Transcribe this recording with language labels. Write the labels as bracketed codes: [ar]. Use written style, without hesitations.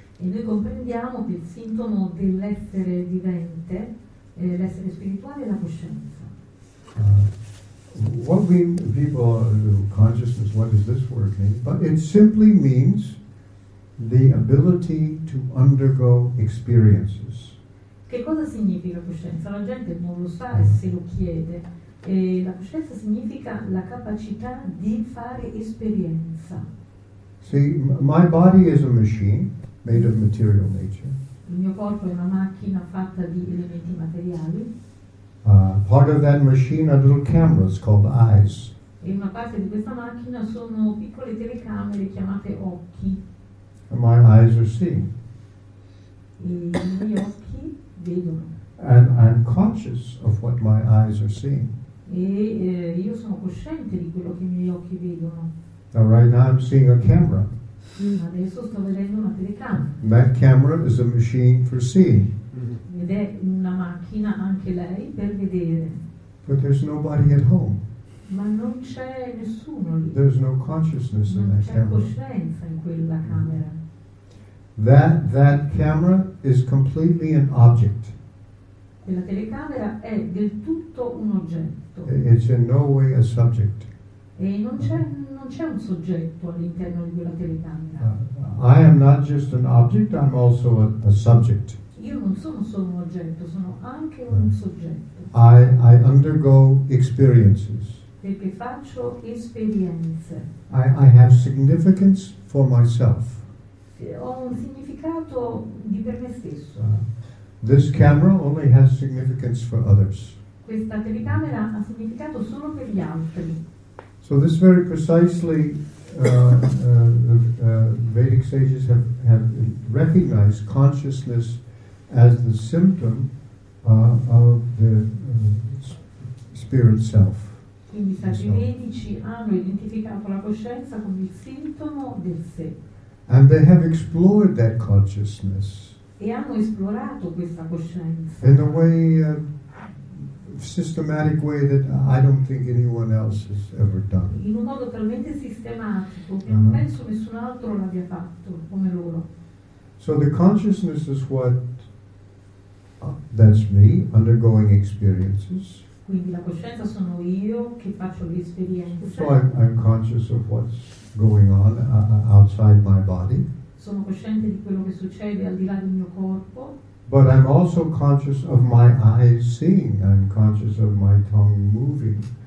[it] E noi comprendiamo che il sintomo dell'essere vivente, l'essere spirituale, è la coscienza. [en] What we people consciousness, what does this word mean? But it simply means the ability to undergo experiences. [it] Che cosa significa coscienza? La gente non lo sa e se lo chiede. E la coscienza significa la capacità di fare esperienza. [en] See, my body is a machine made of material nature. [it] Il mio corpo è una macchina fatta di elementi materiali. [en] Part of that machine are little cameras called eyes. [it] E una parte di questa macchina sono piccole telecamere chiamate occhi. [en] And my eyes are seeing. [it] E i miei occhi vedono. [en] And I'm conscious of what my eyes are seeing. [it] E io sono cosciente di quello che i miei occhi vedono. [en] Now right now I'm seeing a camera. [it] Adesso sto vedendo una telecamera. [en] That camera is a machine for seeing. [it] Ed è una macchina anche lei per vedere. [en] But there's nobody at home. [it] Ma non c'è nessuno lì. [en] There's no consciousness in that camera. [it] Non c'è coscienza in quella camera. [en] That camera is completely an object. [it] Quella telecamera è del tutto un oggetto. [en] It's in no way a subject. [it] E non c'è un soggetto all'interno di quella telecamera. [en] I am not just an object, I'm also a subject. [it] Io non sono solo un oggetto, sono anche un soggetto. [en] I undergo experiences. [it] Perché faccio esperienze. [en] I have significance for myself. [it] Ho un significato di per me stesso. [en] This camera only has significance for others. [it] Questa telecamera ha significato solo per gli altri. [en] So this very precisely, the Vedic sages have recognized consciousness as the symptom of the spirit self. [it] Quindi i sacri vedici hanno identificato la coscienza come il sintomo del sé. [en] And they have explored that consciousness. [it] E hanno esplorato questa coscienza. [en] In a way, systematic way that I don't think anyone else has ever done. [it] In un modo talmente sistematico che non penso nessun altro l'abbia fatto come loro. [en] So the consciousness is what that's me undergoing experiences. [it] Quindi la coscienza sono io che faccio le esperienze. [en] So I'm conscious of what's going on outside my body. [it] Sono cosciente di quello che succede al di là del mio corpo. [en] But I'm also conscious of my eyes seeing. I'm conscious of my tongue moving.